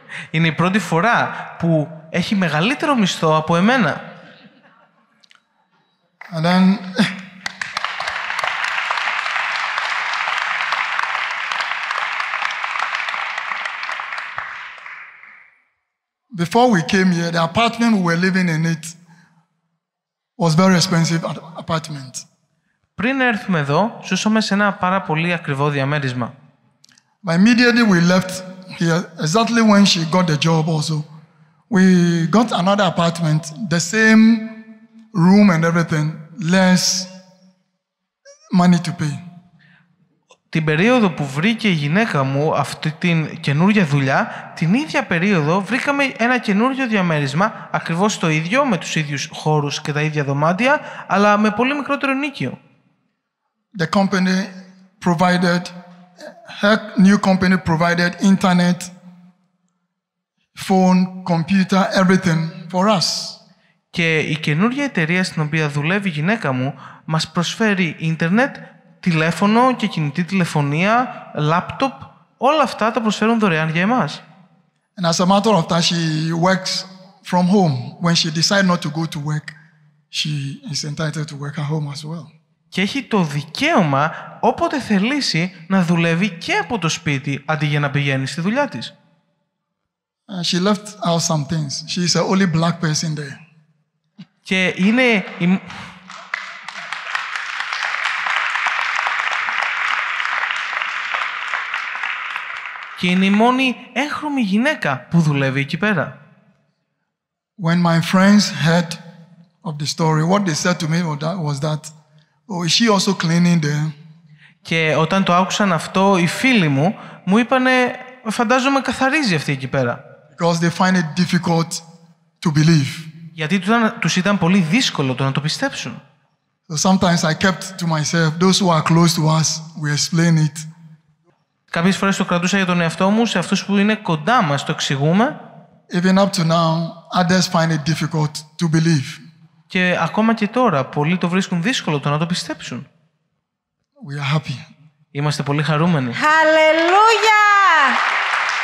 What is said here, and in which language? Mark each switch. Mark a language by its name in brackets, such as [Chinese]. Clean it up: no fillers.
[Greek] Είναι η πρώτη φορά που έχει μεγαλύτερο μισθό από εμένα. [English] And then, before we came here, the apartment we were living in it was very expensive apartment. [Greek] Πριν έρθουμε εδώ, ζούσαμε σε ένα πάρα πολύ ακριβό διαμέρισμα. [English] But immediately we left. Here, exactly when she got the job also, we got another apartment, the same room and everything, less money to pay. [Greek] Την περίοδο που βρήκε η γυναίκα μου αυτή την καινούργια δουλειά, την ίδια περίοδο βρήκαμε ένα καινούργιο διαμέρισμα, ακριβώς το ίδιο, με τους ίδιους χώρους και τα ίδια δωμάτια, αλλά με πολύ μικρότερο νίκιο. [English] The company provided... Her new company provided internet, phone, computer, everything for us. [Greek] Και η καινούργια εταιρεία στην οποία δουλεύει η γυναίκα μου μας προσφέρει ίντερνετ, τηλέφωνο και κινητή τηλεφωνία, λάπτοπ, όλα αυτά τα προσφέρουν δωρεάν για εμάς. [English] And as a matter of fact, she works from home. When she decides not to go to work, she is entitled to work at home as well. [Greek] Και έχει το δικαίωμα όποτε θελήσει να δουλεύει και από το σπίτι αντί για να πηγαίνει στη δουλειά της. [English] She left out some things. She is the only black person there. [Greek] Και είναι η... Και είναι η μόνη έγχρωμη γυναίκα που δουλεύει εκεί πέρα. [English] When my friends heard of the story, what they said to me was that, oh, is she also cleaning there? [Greek] Και όταν το άκουσαν αυτό, οι φίλοι μου μου είπανε, φαντάζομαι καθαρίζει αυτή εκεί πέρα. [English] Because they find it difficult to believe. [Greek] Γιατί τους ήταν πολύ δύσκολο το να το πιστέψουν. [English] So sometimes I kept to myself. Those who are close to us, we explain it. [Greek] Κάποιες φορές το κρατούσα για τον εαυτό μου, σε αυτούς που είναι κοντά μας το εξηγούμε. [English] Even up to now, others find it difficult to believe. [Greek] Και ακόμα και τώρα, πολλοί το βρίσκουν δύσκολο το να το πιστέψουν. [English] We are happy. [Greek] Είμαστε πολύ χαρούμενοι. [English] Hallelujah!